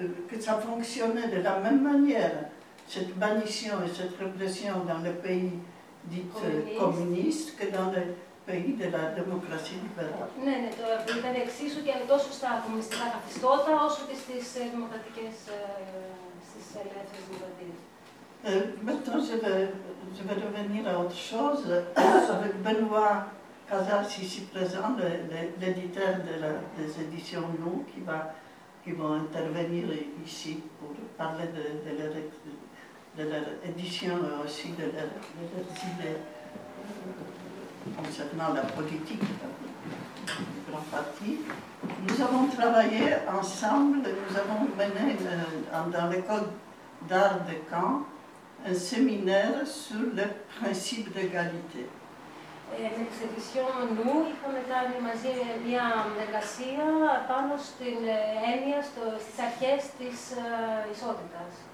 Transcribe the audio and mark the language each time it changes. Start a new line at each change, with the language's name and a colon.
French: Que ça fonctionnait de la même manière, cette bannition et cette répression dans les pays dites communistes que dans les pays de la démocratie libérale.
Greek: Ναι, το ήταν εξίσου και τόσο στα κομμουνιστικά καθεστώτα όσο και στις δημοκρατικές, στις ελεύθερες δημοκρατίες.
French: Maintenant, je vais revenir à autre chose. Avec Benoît Casals ici présent, l'éditeur des éditions Nous, qui vont intervenir ici pour parler de leur édition et aussi de leurs idées concernant la politique du grand parti. Nous avons travaillé ensemble, nous avons mené dans l'école d'art de Caen un séminaire sur le principe d'égalité.
Greek: L'exhibition Nous, είχαμε κάνει μαζί μια εργασία πάνω στην έννοια, στις αρχές της ισότητας.